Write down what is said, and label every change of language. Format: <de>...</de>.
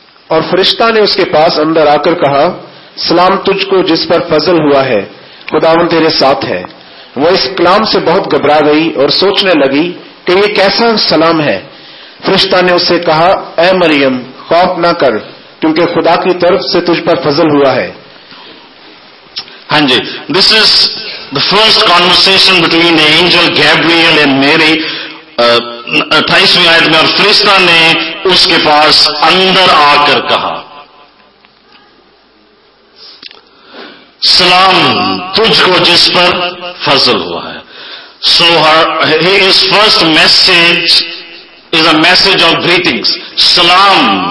<ur>اور فرشتہ نے اس کے پاس اندر آ کر کہا، سلام تجھ کو جس پر فضل ہوا ہے، خداون تیرے ساتھ ہے. وہ اس کلام سے بہت گھبرا گئی اور سوچنے لگی کہ یہ کیسا سلام ہے. فرشتہ نے اسے کہا، اے مریم خوف نہ کر، کیونکہ خدا کی طرف سے تجھ پر فضل ہوا ہے.</ur> <en>ہاں جی، this is the first conversation between angel Gabriel and Mary.</en> <ur>28 آیت میں اور فرشتہ نے اس کے پاس اندر آ کر کہا، سلام تجھ کو جس پر فضل ہوا ہے.</ur> <en>so his first message is a message of greetings, سلام</en>